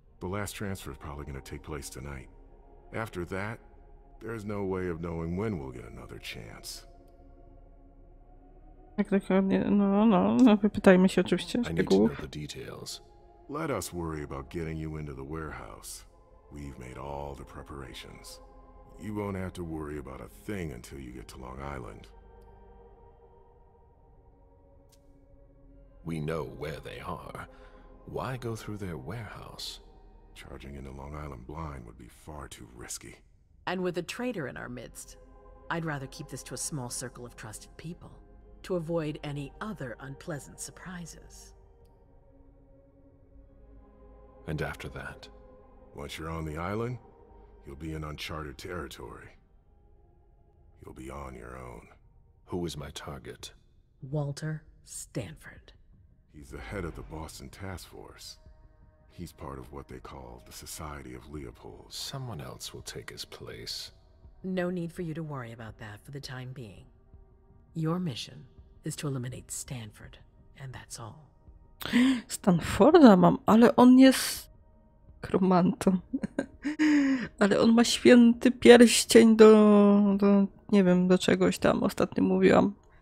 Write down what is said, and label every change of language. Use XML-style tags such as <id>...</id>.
<en>The last transfer is probably going to take place tonight. After that, there's no way of knowing when we'll get another chance.</en> <pl>Tak, dokładnie. No, wypytajmy się oczywiście szczegółów.</pl> <en>Let us worry about getting you into the warehouse. We've made all the preparations. You won't have to worry about a thing until you get to Long Island. We know where they are. Why go through their warehouse? Charging into Long Island blind would be far too risky. And with a traitor in our midst, I'd rather keep this to a small circle of trusted people, to avoid any other unpleasant surprises. And after that? Once you're on the island, you'll be in uncharted territory. You'll be on your own. Who is my target? Walter Stanford. He's the head of the Boston Task Force. He's part of what they call the Society of Leopold. Someone else will take his place. No need for you to worry about that for the time being. Your mission is to eliminate Stanford, and that's all.</en> <pl>Stanforda mam, ale on jest kromantą. Ale on ma święty pierścień do nie wiem, do czegoś tam ostatnio mówiłam.</pl>